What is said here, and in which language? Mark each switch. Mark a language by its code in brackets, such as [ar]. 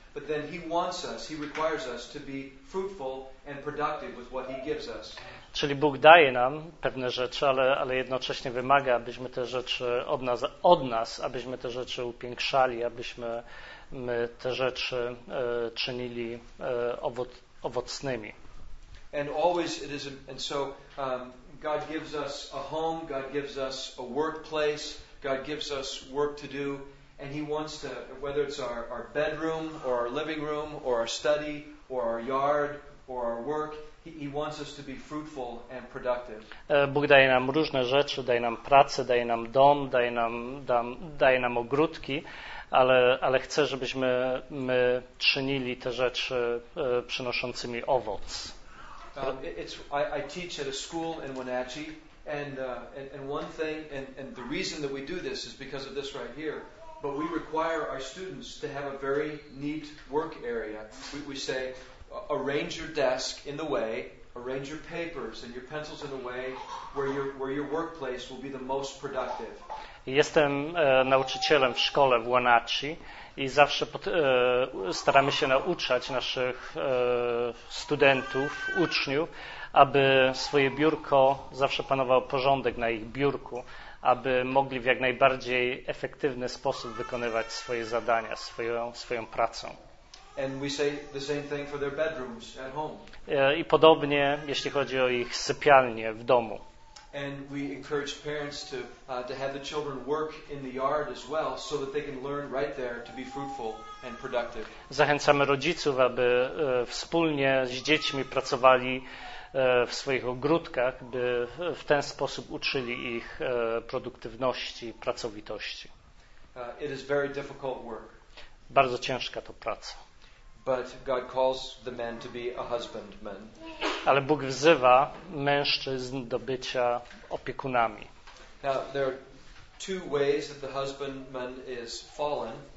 [en] But then he wants us, he requires us to be fruitful and productive with what he gives us. [pl] Czyli Bóg daje nam pewne rzeczy, ale jednocześnie wymaga, abyśmy te rzeczy od nas, abyśmy te rzeczy upiększali, abyśmy my te rzeczy czynili owocnymi. [en] And always it is, and so God gives us a home, God gives us a workplace, God gives us work to do, and he wants to, whether it's our bedroom or our living room or our study or our yard or our work, he wants us to be fruitful and productive. [pl] Bóg daje nam różne rzeczy, daje nam pracę, daje nam dom, daje nam ogródki, ale chce, żebyśmy my czynili te rzeczy przynoszącymi owoc. [en] I teach at a school in Wenatchee, and one thing, and the reason that we do this is because of this right here. But we require our students to have a very neat work area. We say, arrange your desk in the way, arrange your papers and your pencils in a way where your workplace will be the most productive. [pl] Jestem nauczycielem w szkole w Wenatchee. I zawsze staramy się nauczać naszych studentów, uczniów, aby swoje biurko zawsze panował porządek na ich biurku, aby mogli w jak najbardziej efektywny sposób wykonywać swoje zadania, swoją pracę. [en] And we say the same thing for their bedrooms at home. [pl] I podobnie, jeśli chodzi o ich sypialnie w domu. [en] And we encourage parents to have the children work in the yard as well, so that they can learn right there to be fruitful and productive. [pl] Zachęcamy rodziców, aby wspólnie z dziećmi pracowali w swoich ogródkach, by w ten sposób uczyli ich produktywności, pracowitości. [en] It is very difficult work. [pl] Bardzo ciężka to praca. [en] But God calls the men to be a husbandman. [pl] Ale Bóg wzywa mężczyzn do bycia opiekunami. [en] Now, there are two ways that the husbandman is fallen.